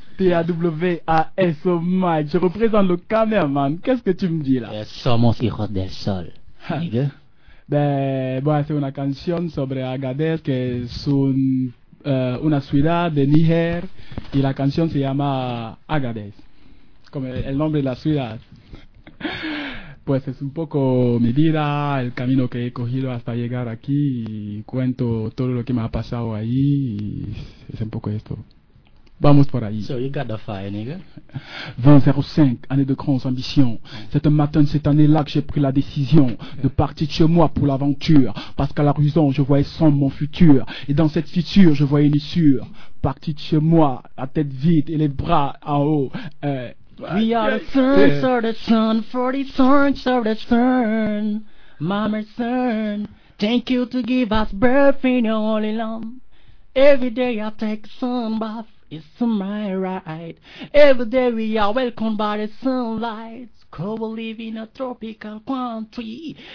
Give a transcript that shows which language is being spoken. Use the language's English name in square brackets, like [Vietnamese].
[French] T-A-W-A-S-O Mike, je représente le cameraman. Qu'est-ce que tu me dis là? [Spanish] Somos hijos del sol. Nigga. Voy a hacer una canción sobre Agadez, que es una ciudad de Níger, y la canción se llama Agadez, como el nombre de la ciudad. Pues es un poco mi vida, el camino que he cogido hasta llegar aquí, y cuento todo lo que me ha pasado ahí, y es un poco esto. Vamos por ahí. [English] So you got the fire, nigga. [French] 2005, année de grandes ambitions. C'est un matin de cette année-là que j'ai pris la décision de partir de chez moi pour l'aventure. Parce qu'à l'horizon, je voyais sombre mon futur. Et dans cette future, je voyais une issue. Partir de chez moi, la tête vide et les bras en haut. [English] We are the sons of the sun, for the sons of the sun. Mama's son, thank you to give us birth in your holy land. Every day I take a sun bath. It's my right. Every day we are welcomed by the sunlight. Cobo live in a tropical country.